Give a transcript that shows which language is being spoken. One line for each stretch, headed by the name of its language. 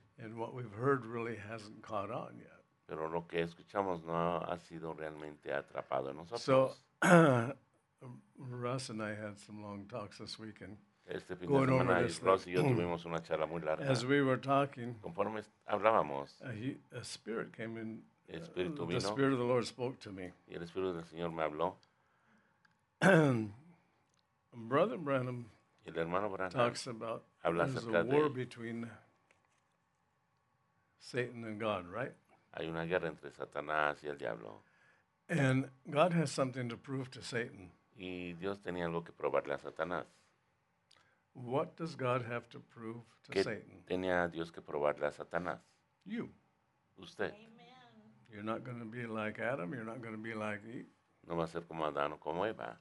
English: And what we've heard really hasn't caught on yet.
Spanish: Pero lo que escuchamos no ha sido realmente atrapado en nosotros.
English: So, Russ and I had some long talks this weekend.
Spanish: Este fin de semana, Russ y yo tuvimos una charla muy larga.
English: As we were talking,
Spanish: conforme hablábamos,
English: a spirit came in.
Spanish: El espíritu vino.
English: The spirit of the Lord spoke to me.
Spanish: Y el espíritu del Señor me habló.
English: Brother Branham,
Spanish: el hermano Branham
English: talks about
Spanish: habla
English: there's a war between Satan and God, right?
Spanish: Hay una guerra entre Satanás y el diablo.
English: And God has something to prove to Satan.
Spanish: Y Dios tenía algo que probarle a Satanás.
English: What does God have to prove to
Spanish: ¿Qué
English: Satan?
Spanish: Tenía Dios que probarle a Satanás.
English: You.
Spanish: Usted.
English: Amen. You're not going to be like Adam. You're not going to be like Eve.
Spanish: No va a ser como Adán o como Eva.